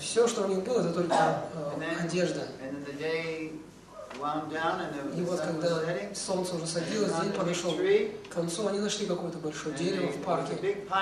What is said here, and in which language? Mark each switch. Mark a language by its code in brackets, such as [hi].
[ru] Все, что у них было, это только одежда. [en] And then the day wound down, and the sun was setting. [ru] И вот когда солнце уже садилось, день подошел к концу, они нашли какое-то большое дерево в парке.